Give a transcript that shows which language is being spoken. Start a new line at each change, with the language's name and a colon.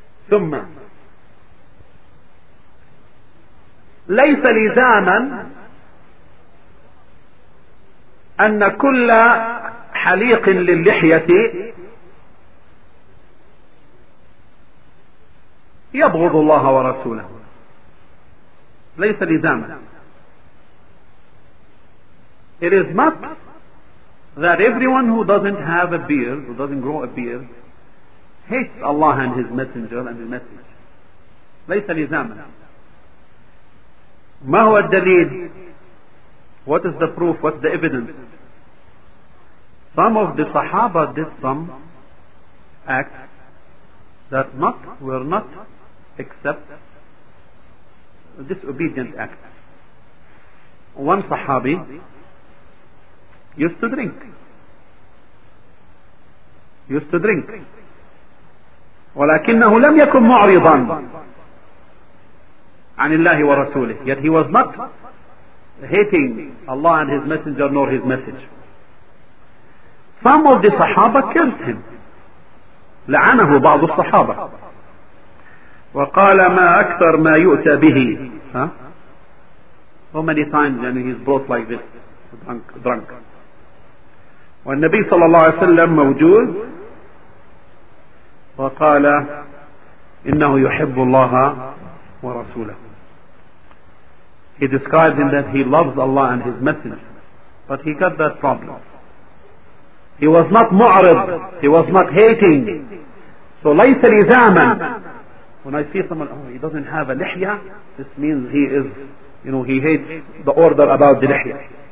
Arabic: ثم ليس لزاما أن كل حليق للحية يبغض الله ورسوله. ليس لزاما.
English: It is not that everyone who doesn't have a beard, who doesn't grow a beard, hates Allah and His Messenger and His message.
Arabic: ليس لزاما. ما هو الدليل؟
English: What is the proof? What's the evidence? Some of the Sahaba did some acts that were not except disobedient acts. One Sahabi used to drink.
Arabic: ولكنه لم يكن معرضا عن الله ورسوله.
English: Yet he was not hating Allah and His Messenger nor His message. Some of the Sahaba cursed him.
Arabic: لعنه بعض الصحابة. وقال ما أكثر ما يؤتى به.
English: How many times and he's brought like this, drunk.
Arabic: والنبي صلى الله عليه وسلم موجود. وقال إنه يحب الله ورسوله.
English: He described him that he loves Allah and His Messenger, but he got that problem. He was not mu'arid. He was not hating. So,
Arabic: ليس لزاما.
English: When I see someone, oh, he doesn't have a lihya, this means he is, you know, he hates the order about the lihya.